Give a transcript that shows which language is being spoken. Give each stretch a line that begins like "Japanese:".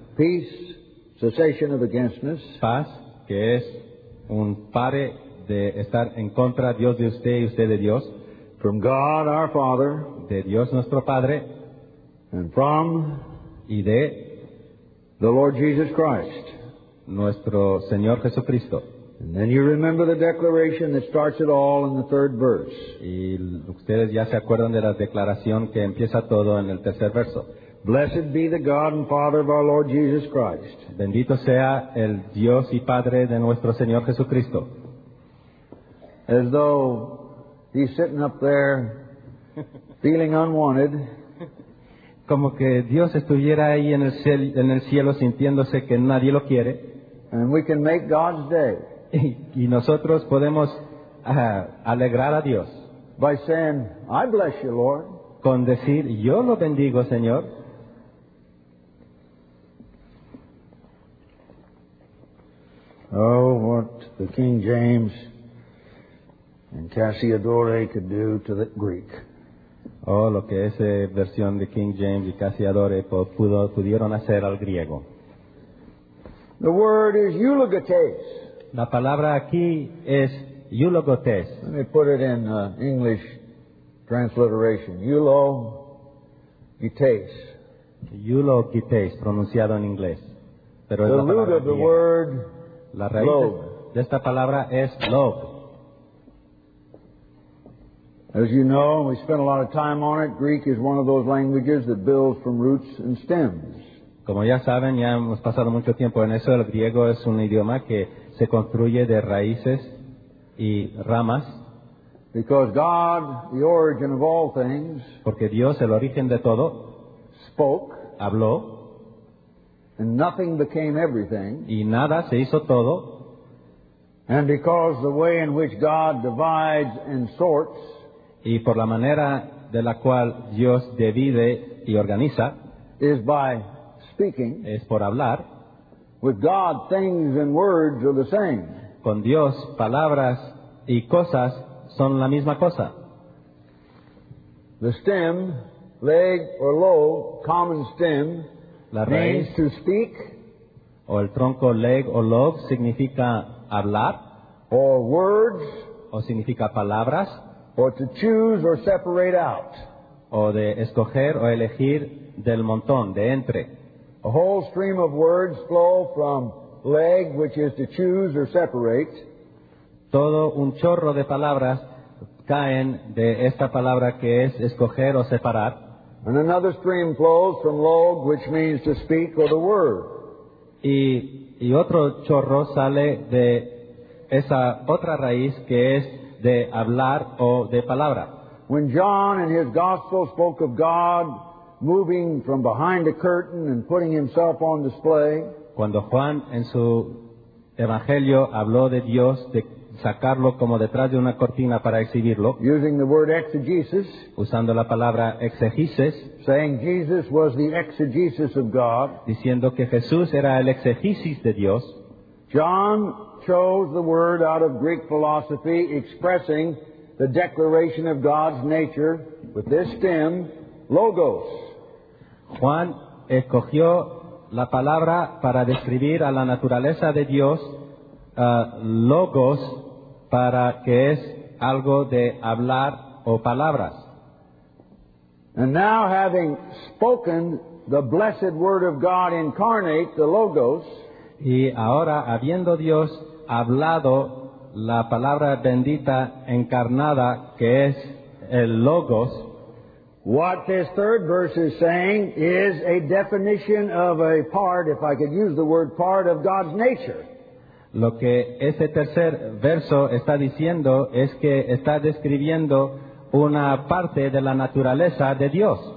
English: Peace, cessation of againstness.
Spanish: Paz, que es un pare de estar en contra, Dios de usted y usted de Dios.
English: From God our Father.
Spanish: De Dios nuestro Padre.
English: And from.
Spanish: Y de.
English: The Lord Jesus Christ.
Spanish: Nuestro Señor Jesucristo.
English: And then you remember the declaration that starts it all in the third verse.
Spanish: Y ustedes ya se acuerdan de la declaración que empieza todo en el tercer verso.
English: Blessed be the God and Father of our Lord Jesus Christ.
Spanish: Bendito sea el Dios y Padre de nuestro Señor Jesucristo.
English: As though he's sitting up there feeling unwanted.
Spanish: Como que Dios estuviera ahí en el cielo sintiéndose que nadie lo quiere.
English: And we can make God's day.
Spanish: Y nosotros podemos alegrar a Dios.
English: By saying, I bless you, Lord.
Spanish: Con decir, yo lo bendigo, Señor.
English: Oh, what the King James and Cassiodore could do to the Greek.
Spanish: Oh, lo que esa versión de King James y Cassiodore pudieron hacer al griego.
English: The word is eulogates.
Spanish: La palabra aquí es eulogates.
English: Let me put it in English transliteration. Eulogates.
Spanish: Eulogates, pronunciado en inglés. Pero
English: the
Spanish: es la root
English: of the word
Spanish: la raíz
English: love.
Spanish: De esta palabra es love.
English: As you know, we spent a lot of time on it. Greek is one of those languages that builds from roots and stems.
Spanish: Como ya saben, ya hemos pasado mucho tiempo en eso. El griego es un idioma que se construye de raíces y ramas.
English: Because God, the origin of all things,
Spanish: porque Dios, el origen de todo,
English: spoke,
Spanish: habló,
English: and nothing became everything,
Spanish: y nada se hizo todo.
English: And because the way in which God divides and sorts,
Spanish: y por la manera de la cual Dios divide y organiza,
English: is by speaking,
Spanish: es por hablar.
English: With God, things and words are the same.
Spanish: Con Dios, palabras y cosas son la misma cosa.
English: The stem, leg or lobe, common stem,
Spanish: la raíz,
English: means to speak.
Spanish: O el tronco, leg o lobe, significa hablar.
English: Or words.
Spanish: O significa palabras.
English: Or to choose or separate out.
Spanish: O de escoger o elegir del montón, de entre.
English: A whole stream of words flow from leg, which is to choose or separate.
Spanish: Todo un chorro de palabras caen de esta palabra que es escoger o separar.
English: And another stream flows from log, which means to speak or the word.
Spanish: Y otro chorro sale de esa otra raíz que es de hablar o de palabra.
English: When John in his gospel spoke of God moving from behind a curtain and putting himself on display.
Spanish: Cuando Juan en su evangelio habló de Dios de sacarlo como detrás de una cortina para exhibirlo.
English: Using the word exegesis.
Spanish: Usando la palabra exegesis.
English: Saying Jesus was the exegesis of God.
Spanish: Diciendo que Jesús era el exegesis de Dios.
English: John chose the word out of Greek philosophy expressing the declaration of God's nature with this stem, logos.
Spanish: Juan escogió la palabra para describir a la naturaleza de Dios, logos, para que es algo de hablar o palabras.
English: And now having spoken the blessed word of God incarnate, the logos,
Spanish: y ahora habiendo Dios hablado la palabra bendita encarnada que es el logos,
English: What this third verse is saying is a definition of a part, if I could use the word part, of God's nature.
Spanish: Lo que este tercer verso está diciendo es que está describiendo una parte de la naturaleza de Dios.